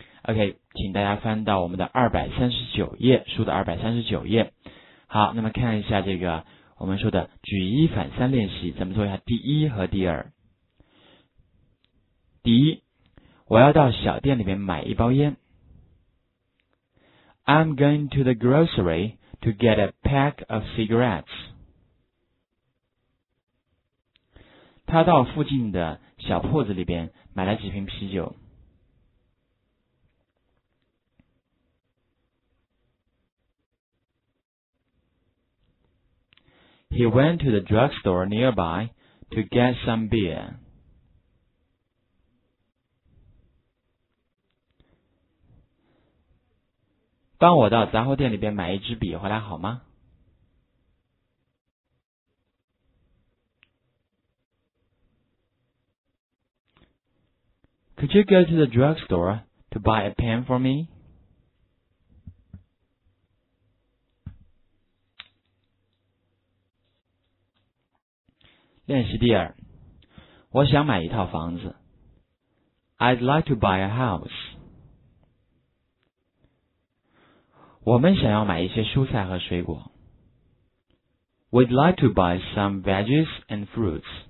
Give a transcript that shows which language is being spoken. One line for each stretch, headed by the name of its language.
Chinese: OK， 请大家翻到我们的239页，书的239页。好，那么看一下这个我们说的举一反三练习，咱们做一下第一和第二。第一，我要到小店里面买一包烟。
English: I'm going to the grocery to get a pack of cigarettes.
Chinese: 他到附近的小铺子里边买了几瓶啤酒。
English: He went to the drugstore nearby to get some beer.
Chinese: 帮我到杂货店里边买一支笔回来好吗？
English: Could you go to the drugstore to buy a pen for me?
Chinese: 练习第二，我想买一套房子。
English: I'd like to buy a house.
Chinese: 我们想要买一些蔬菜和水果。
English: We'd like to buy some veggies and fruits.